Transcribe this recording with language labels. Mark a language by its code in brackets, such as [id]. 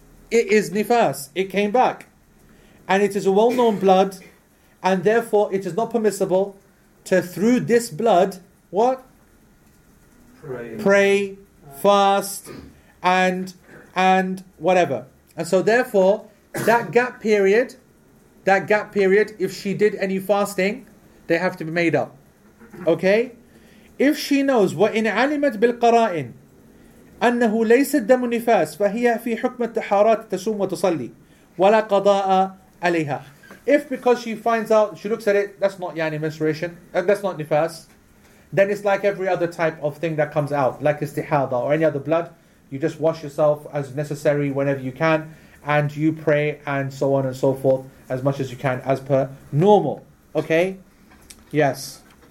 [en] It is nifas. It came back. And it is a well-known blood, and therefore it is not permissible to, through this blood, what? Pray fast, and whatever. And so therefore, that gap period, if she did any fasting, they have to be made up. Okay? If she knows what in [ar] alimat bil qara'in, أنه ليس الدم النفاس فهي في حكم الطهارات تصوم وتصلي ولا قضاء عليها. [en] If because she finds out, she looks at it, that's not yani menstruation, that's not nifas, then it's like every other type of thing that comes out, like istihada or any other blood. You just wash yourself as necessary whenever you can, and you pray and so on and so forth as much as you can as per normal. Okay? Yes.